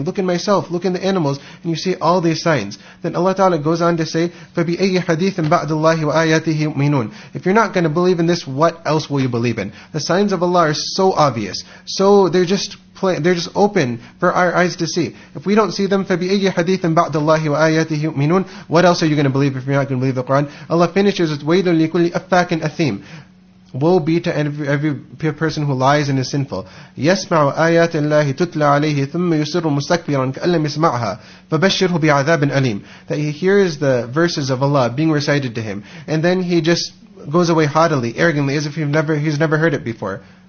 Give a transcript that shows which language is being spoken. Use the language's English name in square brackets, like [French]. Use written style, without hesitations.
[English] Look in myself, look in the animals, and you see all these signs. Then Allah Ta'ala goes on to say, [Arabic] فَبِأَيِّ حَدِيثٍ بَعْدَ اللَّهِ وَآيَاتِهِ يُؤْمِنُونَ. [English] If you're not going to believe in this, what else will you believe in? The signs of Allah are so obvious. So they're just open for our eyes to see. If we don't see them, [Arabic] فَبِأَيِّ حَدِيثٍ بَعْدَ اللَّهِ وَآيَاتِهِ يُؤْمِنُونَ. [English] What else are you going to believe if you're not going to believe the Qur'an? Allah finishes with [Arabic] وَيْلٌ لِكُلِّ أَفَّاكٍ أَثِيمٍ. [English] Woe be to every person who lies and is sinful. [Arabic] يَسْمَعُ آيَاتِ اللَّهِ تُتْلَى عَلَيْهِ ثُمَّ يُصِرُّ مُسْتَكْبِرًا كَأَن لَّمْ يَسْمَعْهَا فَبَشِّرْهُ بِعَذَابٍ أَلِيمٍ. [English] That he hears the verses of Allah being recited to him, and then he just goes away haughtily, arrogantly, as if he's never heard it before.